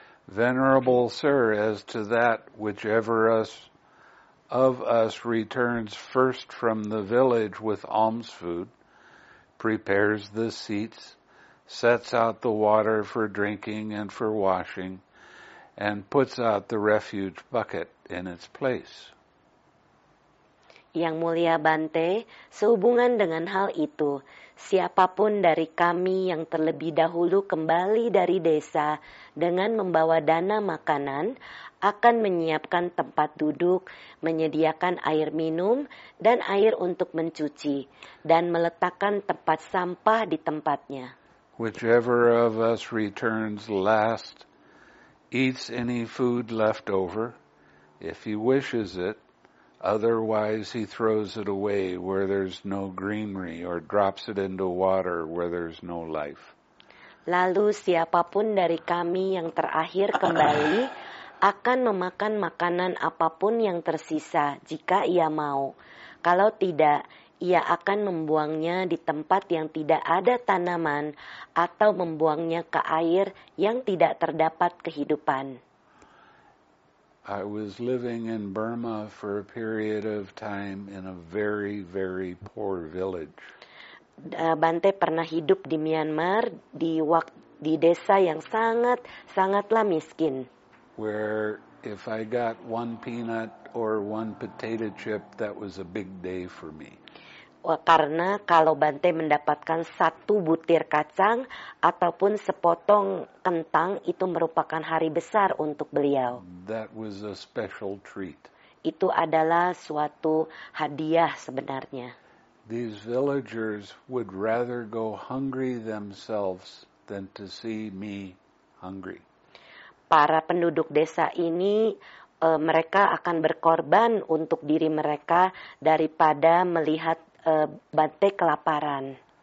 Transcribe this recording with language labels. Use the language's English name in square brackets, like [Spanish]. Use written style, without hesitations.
[English] Venerable sir, as to that whichever of us returns first from the village with alms food, prepares the seats, sets out the water for drinking and for washing, and puts out the refuge bucket in its place. [Indonesian] Yang mulia Bante, sehubungan dengan hal itu, siapapun dari kami yang terlebih dahulu kembali dari desa dengan membawa dana makanan, akan menyiapkan tempat duduk, menyediakan air minum, dan air untuk mencuci, dan meletakkan tempat sampah di tempatnya. [English] Whichever of us returns last, eats any food left over, if he wishes it, otherwise he throws it away where there's no greenery or drops it into water where there's no life. [Indonesian] Lalu siapapun dari kami yang terakhir kembali akan memakan makanan apapun yang tersisa jika ia mau. Kalau tidak, ia akan membuangnya di tempat yang tidak ada tanaman atau membuangnya ke air yang tidak terdapat kehidupan. [English] I was living in Burma for a period of time in a very, very poor village. [Indonesian] Bante pernah hidup di Myanmar di desa yang sangat, sangatlah miskin. [English] Where if I got one peanut or one potato chip, that was a big day for me. [Indonesian] Karena kalau Bante mendapatkan satu butir kacang ataupun sepotong kentang, itu merupakan hari besar untuk beliau. [English] That was a special treat. [Indonesian] Itu adalah suatu hadiah sebenarnya. [English] These villagers would rather go hungry themselves than to see me hungry. [Indonesian] Para penduduk desa ini, mereka akan berkorban untuk diri mereka daripada melihat Bante kelaparan.